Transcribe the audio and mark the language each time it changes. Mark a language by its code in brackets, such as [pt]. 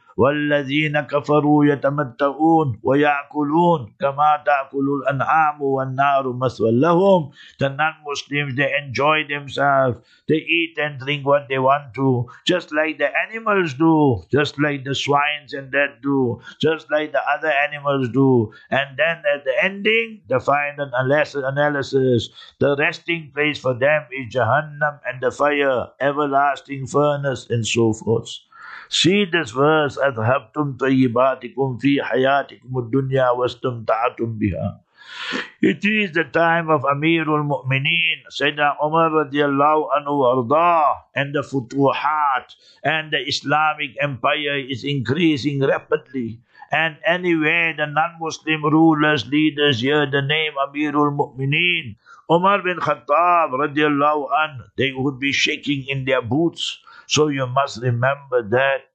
[ar] وَالَّذِينَ كَفَرُوا يَتَمَتَّعُونَ وَيَأْكُلُونَ كَمَا تَأْكُلُ الْأَنْعَامُ وَالنَّارُ مَثْوًا لَهُمْ, [en] the non-Muslims, they enjoy themselves, they eat and drink what they want to, just like the animals do, just like the swines and that do, just like the other animals do. And then at the ending, the final analysis, the resting place for them is Jahannam and the fire, everlasting furnace and so forth. See this verse, [ar] أَذْهَبْتُمْ طَيِّبَاتِكُمْ فِي حَيَاتِكُمُ الدُّنْيَا وَاسْتَمْتَعْتُمْ بِهَا. [en] It is the time of Amirul Mu'mineen, Sayyidina Umar radiallahu anhu arda, and the futuhat, and the Islamic empire is increasing rapidly. And anywhere the non-Muslim rulers, leaders hear the name Amirul Mu'mineen, Umar bin Khattab radiallahu anhu, they would be shaking in their boots. So you must remember that